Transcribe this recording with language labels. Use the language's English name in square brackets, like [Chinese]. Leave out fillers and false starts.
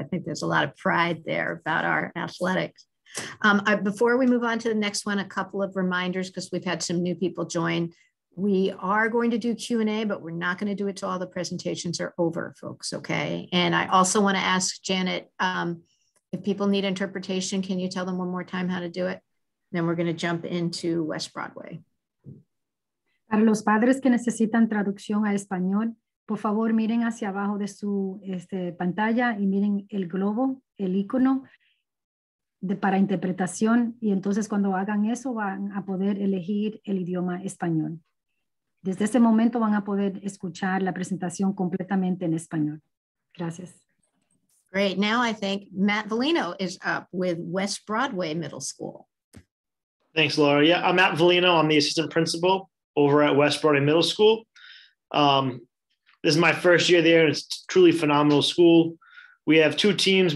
[English] I think there's a lot of pride there about our athletics. Before we move on to the next one, a couple of reminders, because we've had some new people join. We are going to do Q&A, but we're not going to do it till all the presentations are over, folks, okay? And I also want to ask Janet, if people need interpretation, can you tell them one more time how to do it? Then we're going to jump into West Broadway. [Spanish] Para los padres que necesitan traducción a español, por favor, miren hacia abajo de su pantalla y miren el globo, el icono de, para interpretación. Y entonces cuando hagan eso, van a poder elegir el idioma español. Desde ese momento van a poder escuchar la presentación completamente en español. Gracias. [English] Great. Now I think Matt Valino is up with West Broadway Middle School. Thanks, Laura. Yeah, I'm Matt Valino. I'm the assistant principal over at West Broadway Middle School. This is my first year there, and it's truly phenomenal school. We have two teams.